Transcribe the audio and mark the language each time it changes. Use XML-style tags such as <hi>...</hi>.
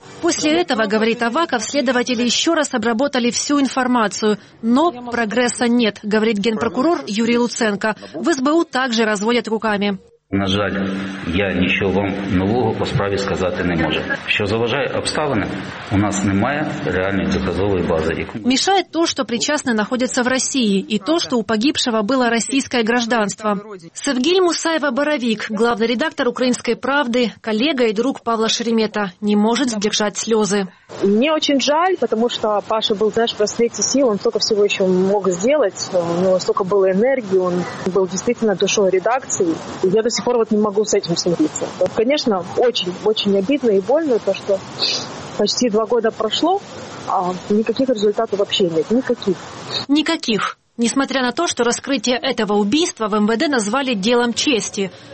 <ru>После этого, говорит Аваков, следователи еще раз обработали всю информацию. Но прогресса нет, говорит генпрокурор Юрий Луценко. В СБУ также разводят руками.</ru> <uk>На жаль, я нічого вам нового по справі сказати не можу. Що заважає обставини, у нас немає реальної доказової бази. Мішає то, що причасний знаходиться в Росії, і то, що у погибшого було російське громадянство. Сергій Мусаєва-Боровик, главний редактор «Української правди», колега і друг Павла Шеремета, не може здержати сльози. Мені дуже жаль, тому що Паша був, знаєш, в розквіті сил, він стільки всього ще мог зробити, у нього стільки було енергії, він був дійсно душою редакції.</uk> <ru>До сих пор вот не могу с этим смириться. Конечно, очень обидно и больно то, что почти 2 года прошло, а никаких результатов вообще нет. Никаких. Никаких. Несмотря на то, что раскрытие этого убийства в МВД назвали делом чести.</ru>